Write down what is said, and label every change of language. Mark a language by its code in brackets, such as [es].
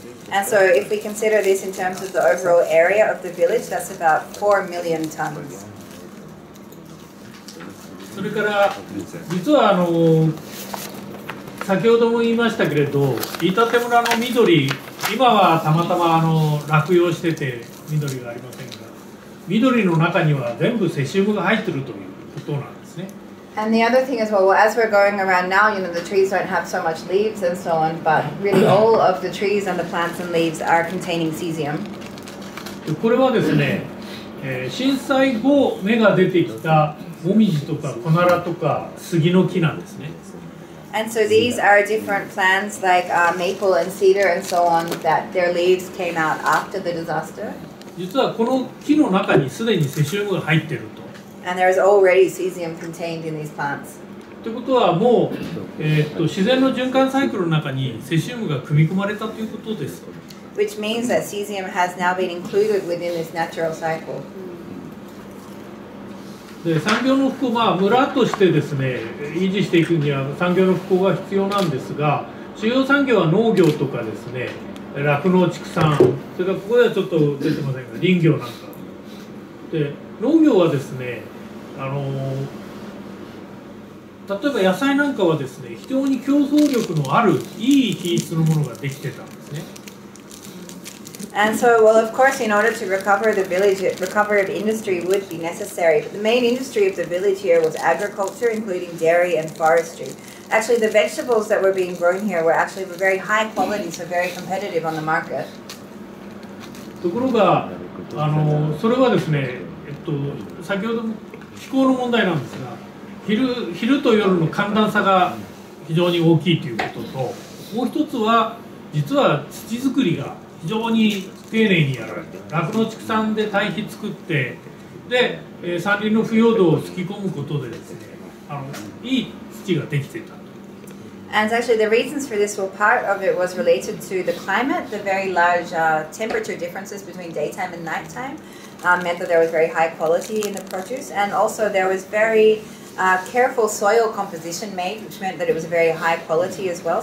[en] And so if we consider this in terms of the overall area of the village, that's about 4 million tons. [ja] それから実は先ほども言いましたけれど、飯舘村の緑、今はたまたま落葉してて緑がありませんが、緑の中には全部セシウムが入っているということなんですね。 [en] And the other thing is, well, as we're going around now, you know, the trees don't have so much leaves and so on, but really all of the trees and the plants and leaves are containing cesium. [ja] これはですね、震災後芽が出てきたモミジとかコナラとか杉の木なんですね。 [en] And so these are different plants like maple and cedar and so on that their leaves came out after the disaster. [ja] 実はこの木の中にすでにセシウムが入ってる。 [en] And there is already cesium contained in these plants. [ja] ということはもう、自然の循環サイクルの中にセシウムが組み込まれたということです。 [en] Which means that cesium has now been included within this natural cycle. [ja] で、産業の復興、まあ、村としてですね、維持していくには産業の復興が必要なんですが、主要産業は農業とかですね、酪農畜産、それからここではちょっと出てませんが、林業なんか。で、農業はですね、例えば野菜なんかはですね、非常に競争力のあるいい品質のものができてたんですね。 [en] And so, well, of course, in order to recover the village, recovery of industry would be necessary. But the main industry of the village here was agriculture, including dairy and forestry. Actually, the vegetables that were being grown here were actually very high quality, so very competitive on the market. [ja] ところが、それはですね、先ほども気候の問題なんですが、昼と夜の寒暖差が非常に大きいということと、もう一つは実は土作りが非常に丁寧にやられて、酪農畜産で堆肥作って、で、山林の腐葉土を突き込むことでですね、いい土ができていた。 [en] And actually the reasons for this were part of it was related to the climate, the very large temperature differences between daytime and nighttime meant that there was very high quality in the produce, and also there was very careful soil composition made, which meant that it was a very high quality as well.